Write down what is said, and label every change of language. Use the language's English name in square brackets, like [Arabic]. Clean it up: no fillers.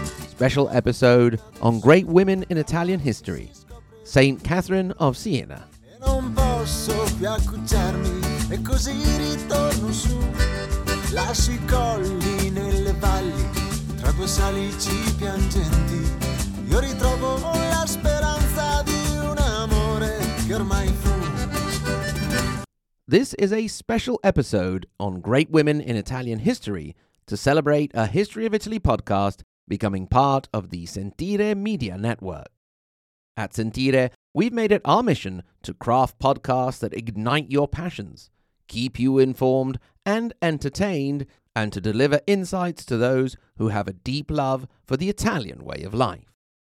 [English] Special episode on great women in Italian history, Saint Catherine of Siena. [Italian] Non posso più accucciarmi e così ritorno su. Lasci i colli nelle valli tra due salici piangenti. Io ritrovo la speranza di un amore che ormai fu. [English] This is a special episode on great women in Italian history to celebrate a History of Italy podcast becoming part of the Sentire Media Network. At Sentire, we've made it our mission to craft podcasts that ignite your passions, keep you informed and entertained, and to deliver insights to those who have a deep love for the Italian way of life.